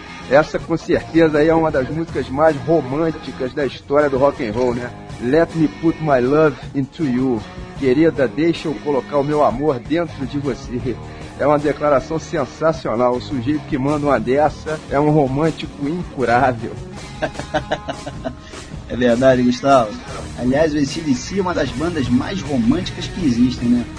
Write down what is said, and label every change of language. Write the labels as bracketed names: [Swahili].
[Portuguese] Essa com certeza aí é uma das músicas mais românticas da história do rock and roll, né? [English] Let me put my love into you. [Portuguese] Querida, deixa eu colocar o meu amor dentro de você. É uma declaração sensacional. O sujeito que manda uma dessa é um romântico incurável. É verdade, Gustavo. Aliás, o AC/DC é uma das bandas mais românticas que existem, né?